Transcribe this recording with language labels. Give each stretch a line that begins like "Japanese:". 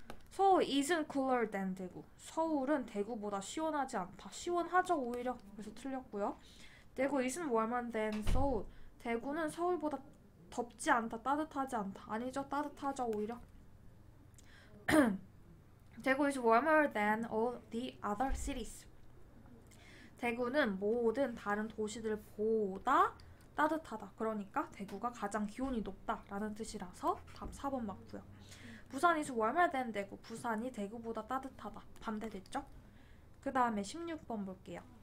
English: Seoul isn't cooler than 대구.
Korean: 서울은 대구보다 시원하지 않다. 시원하죠, 오히려. 그래서 틀렸고요. 대구
English: isn't warmer than
Korean: 서울. 대구는 서울보다 덥지 않다. 따뜻하지 않다. 아니죠, 따뜻하죠, 오히려.
English: 대구 is warmer than all the other cities.
Korean: 대구는 모든 다른 도시들보다 따뜻하다. 그러니까 대구가 가장 기온이 높다라는 뜻이라서 답 4번 맞고요.
English: 부산 is warmer than 대구.
Korean: 부산이 대구보다 따뜻하다. 반대됐죠? 그 다음에 16번 볼게요.